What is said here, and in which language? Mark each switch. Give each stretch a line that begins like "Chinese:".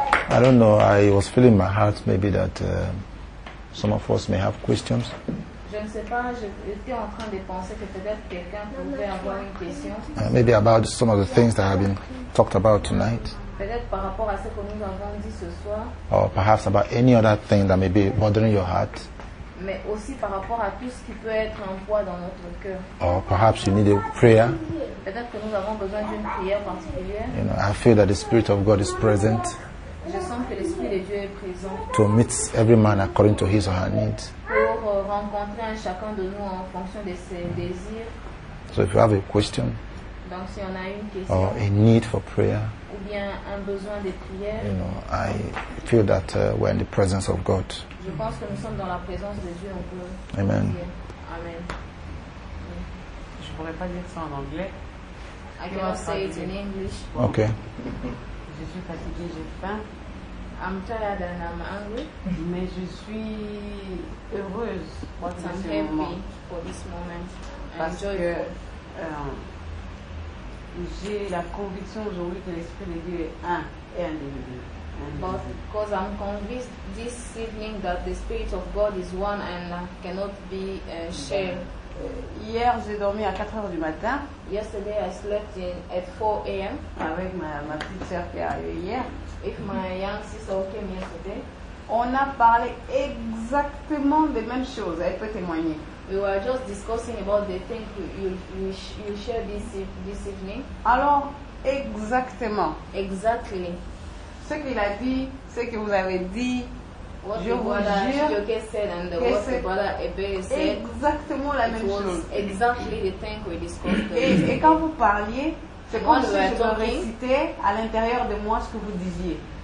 English: I don't know, I was feeling in my heart maybe that some of us may have questions. Maybe about some of the things that have been talked about tonight. Or perhaps about any other thing that may be bothering your heart.
French: Mais aussi par rapport à tout ce qui peut être en poids dans notre cœur.
English: Or perhaps you need a prayer.
French: Peut-être que nous avons besoin d'une prière particulière.
English: You know, I feel that the Spirit of God is present.
French: Je sens que l'Esprit de Dieu est présent.
English: To meet every man according to his or her needs.
French: Pour rencontrer chacun de nous en fonction de ses désirs.
English: So if you have a question.
French: Donc si on a une question.
English: Or a need for prayer.
French: Ou bien un besoin de prière.
English: You know, I feel that we're in the presence of God.
French: Je pense que nous sommes dans la présence de Dieu. Amen. Amen. Je pourrais pas dire ça en anglais.
English: I cannot say it in English. Okay.
French: Je suis fatiguée, j'ai faim.
English: I'm tired and I'm hungry.
French: Mais je suis heureuse pour ce moment.
English: What's happening for this moment?
French: Parce que j'ai la conviction aujourd'hui que l'Esprit de Dieu est un et indivisible.
English: But because I'm convinced this evening that the Spirit of God is one and cannot be shared.
French: Hier, j'ai dormi à 4 heures du matin.
English: Yesterday, I slept at 4 a.m.
French: Avec ma petite sœur qui est arrivée hier.
English: If my young sister came yesterday.
French: On a parlé exactement des mêmes choses. Elle peut témoigner.
English: We were just discussing about the things you shared this evening.
French: Alors, exactement.
English: Exactly.
French: Ce qu'il a dit, ce que vous avez dit,
English: what
French: je vous jure,
English: Joke said and the what the brother Ebe said,
French: exactement la même chose.
English: Exactly the thing we discussed.
French: Et quand vous parliez, c'est comme si je récitais à l'intérieur de moi ce que vous disiez.